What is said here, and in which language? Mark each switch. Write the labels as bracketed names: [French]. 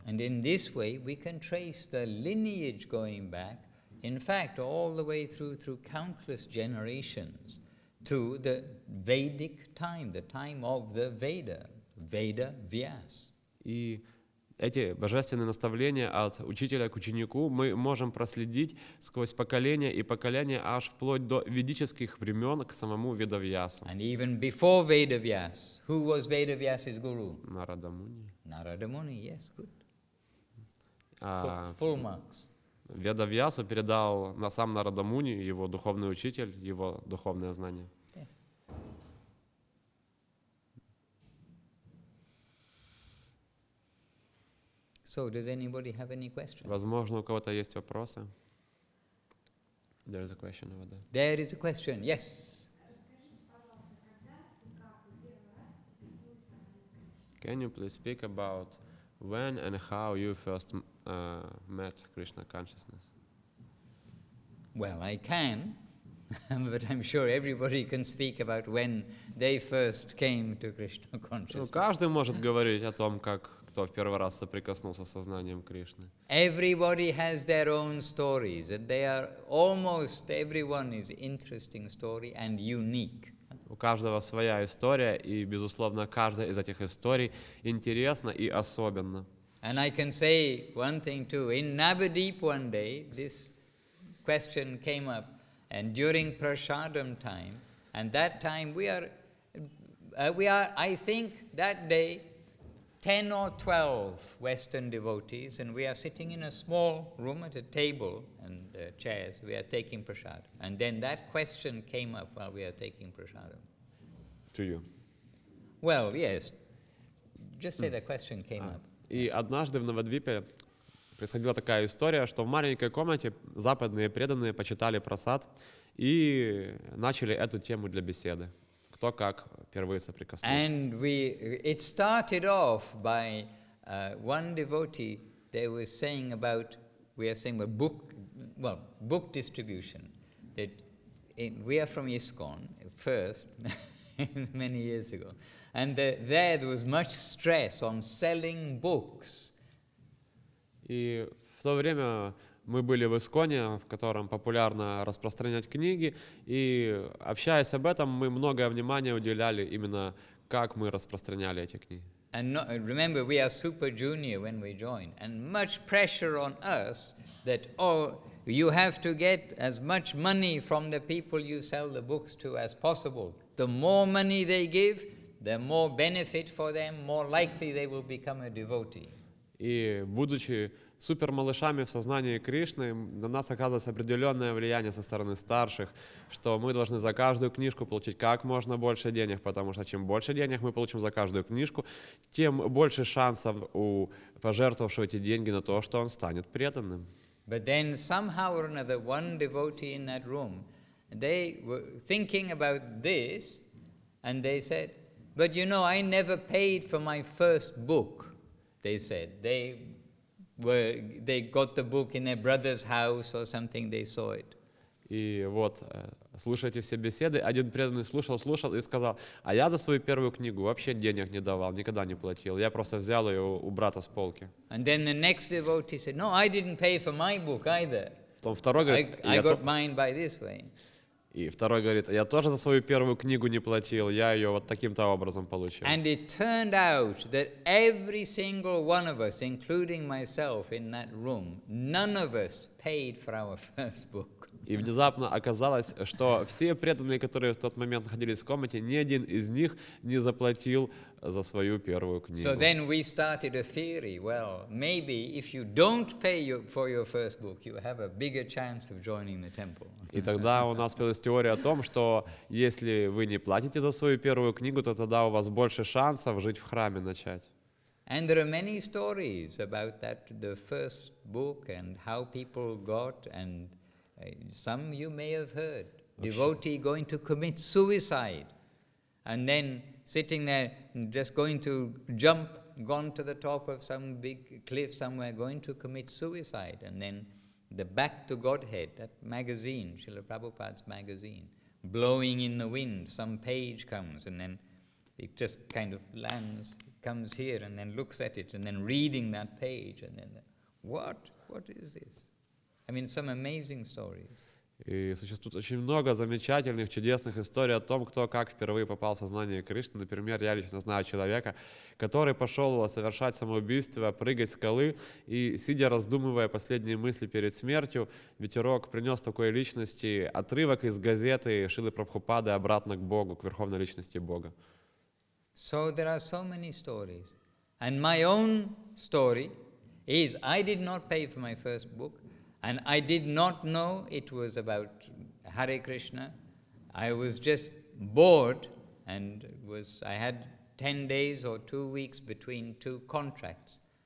[English] And in this way we can trace the lineage going back, in fact, all the way through countless generations to the Vedic time, the time of the Veda, Veda Vyas. [Russian] И эти божественные наставления от учителя к ученику мы можем проследить сквозь поколения и поколения аж вплоть до ведических времен к самому Ведавьясу. [English] And even before Vedavyas, who was Vedavyas's guru? [Russian] Нарада Муни. [English] Нарада Муни, yes, good. full marks. [Russian] Веда Вьяса передал на сам Нарада Муни, его духовный учитель, его духовное знание. [English] So, does anybody have any questions? [Russian] Возможно, у кого-то есть вопросы? [English] There is a question over there. There is a question, yes. Can you please speak about when and how you first met Krishna consciousness? Well, I can, but I'm sure everybody can speak about when they first came to Krishna consciousness. [Russian] Ну, каждый может говорить о том, как кто в первый раз соприкоснулся с сознанием Кришны. [English] Everybody has their own stories, and they are almost everyone is interesting story and unique. [Russian] У каждого своя история, и безусловно, каждая из этих историй интересна и особенна. [English] And I can say one thing too. In Navadvip one day this question came up, and during prasadam time, and that time we are, I think that day, 10 or 12 Western devotees, and we are sitting in a small room at a table and chairs. We are taking prasad. And then that question came up while we are taking prasad. To you. Well, yes. Just say the question came up. [Russian] И однажды в Навадвипе происходила такая история, что в маленькой комнате западные преданные почитали прасад и начали эту тему для беседы. То, как впервые соприкоснулись. [English] And it started off by one devotee. They were saying about book distribution. That we are from ISKCON first many years ago, and there was much stress on selling books. [Russian] И в то время мы были в Исконе, в котором популярно распространять книги, и общаясь об этом, мы многое внимание уделяли именно как мы распространяли эти книги. [English] And no, remember, we are super junior when we join, and much pressure on us that you have to get as much money from the people you sell the books to as possible. The more money they give, the more benefit for them, more likely they will become a devotee. [Russian] И будучи супер малышами в сознании Кришны, на нас оказывается определенное влияние со стороны старших, что мы должны за каждую книжку получить как можно больше денег, потому что чем больше денег мы получим за каждую книжку, тем больше шансов у пожертвовавшего эти деньги на то, что он станет преданным. [English] But then somehow or another one devotee in that room, they were thinking about this, and they said, but you know, I never paid for my first book, they said. They got the book in their brother's house or something, they saw it. [Russian] И вот, слушайте все беседы, один преданный слушал и сказал, а я за свою первую книгу вообще денег не давал, никогда не платил, я просто взял ее у брата с полки. [English] And then the next devotee said, no, I didn't pay for my book either. [Russian] Потом второй говорит, [English] I got mine by this way. [Russian] И второй говорит, я тоже за свою первую книгу не платил, я ее вот таким-то образом получил. [English] And it turned out that every single one of us, including myself in that room, none of us paid for our first book. [Russian] И внезапно оказалось, что все преданные, которые в тот момент находились в комнате, ни один из них не заплатил за свою первую книгу. [English] So then we started a theory. Well, maybe if you don't pay for your first book, you have a bigger chance of joining the temple. [Russian] И тогда у нас появилась теория о том, что если вы не платите за свою первую книгу, то тогда у вас больше шансов жить в храме начать. [English] And there are many stories about that, the first book and how people got, and some you may have heard. Devotee going to commit suicide and then sitting there just going to jump, gone to the top of some big cliff somewhere, going to commit suicide, and then the Back to Godhead, that magazine, Srila Prabhupada's magazine, blowing in the wind, some page comes and then it just kind of lands, comes here and then looks at it and then reading that page and then, what is this? I mean, some amazing stories. [Russian] И существует очень много замечательных, чудесных историй о том, кто как впервые попал в сознание Кришны. Например, я лично знаю человека, который пошел совершать самоубийство, прыгать с скалы, и, сидя, раздумывая последние мысли перед смертью, ветерок принес такой личности отрывок из газеты Шилы Прабхупады «Обратно к Богу», к Верховной Личности Бога. [English] So there are so many stories. And my own story is I did not pay for my first book, and I did not know it was about Hare Krishna. I was just bored, and I had 10 days or 2 weeks between two contracts.